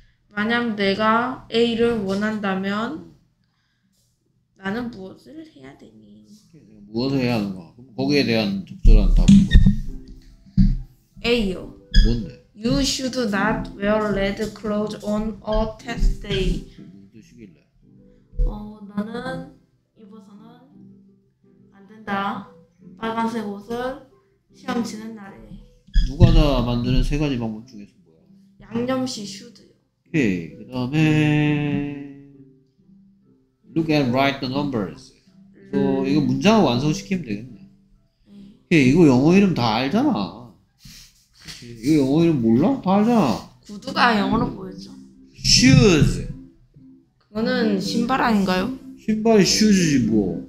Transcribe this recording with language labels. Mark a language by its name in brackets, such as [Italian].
[Korean] 만약 내가 A를 원한다면 나는 무엇을 해야 되니? 오케이, 무엇을 해야 하는가? 그럼 거기에 대한 적절한 답은 뭐야? A요. 뭔데? [English] You should not wear red clothes on a test day. [Korean] 무슨 뜻이길래? 나는 입어서는 안 된다. 빨간색 옷을 시험 치는 날에. 누가 다 만드는 세 가지 방법 중에서 뭐야? 양념시 [English] should [Korean] 요. 오케이. 그 다음에 [English] look and write the numbers. [Korean] 이거 문장을 완성시키면 되겠네. 오케이. 이거 영어 이름 다 알잖아. 이거 영어 이름 몰라? 다 알잖아. 구두가 영어로 보였죠. [English] Shoes. [Korean] 그거는 신발 아닌가요? 신발이 슈즈지 뭐.